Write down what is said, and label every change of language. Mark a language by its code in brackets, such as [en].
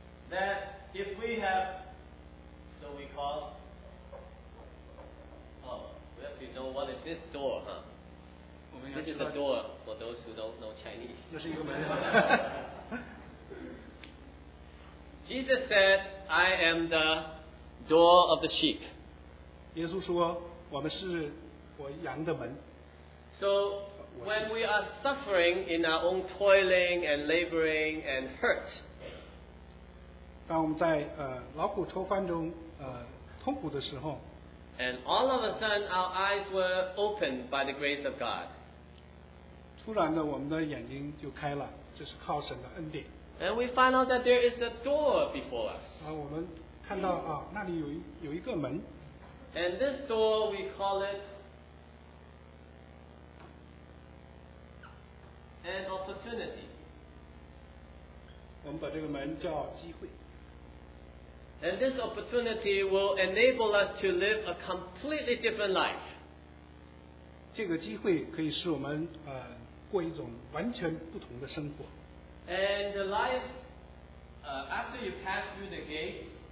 [en] that if we have, so we call, we have to know what is this door, huh? This is the door for those who don't know Chinese. [zh] 这是一个门。 [en] Jesus said, I am the door of the sheep. [zh] 耶稣说我们是我羊的门。 [en] So when we are suffering in our own toiling and laboring and hurt, [zh] 当我们在劳苦愁烦中痛苦的时候， [en] and all of a sudden our eyes were opened by the grace of God. [zh] 突然的我们的眼睛就开了，这是靠神的恩典。 [en] And we find out that there is a door before us. [zh] 我们看到那里有一个门。 [en] And this door, we call it an opportunity. [zh] 我们把这个门叫机会。 [en] And this opportunity will enable us to live a completely different life. [zh] 这个机会可以使我们过一种完全不同的生活。 [en] And the life after you pass through the gate,